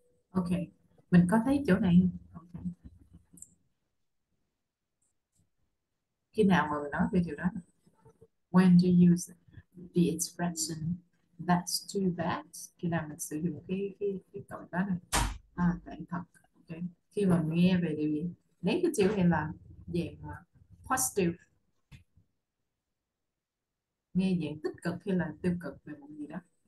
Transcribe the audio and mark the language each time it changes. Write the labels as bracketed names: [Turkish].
[Vietnamese] Okay, mình có thấy chỗ này không? Khi nào mà mình nói về điều đó? [English] When do you use the expression that's too bad? [Vietnamese] Khi nào mình sử dụng cái câu đó này? À, tại thật. Okay. Khi mà nghe về điều gì? Negative hay là dạng positive? Nghe dạng tích cực hay là tiêu cực về một gì đó?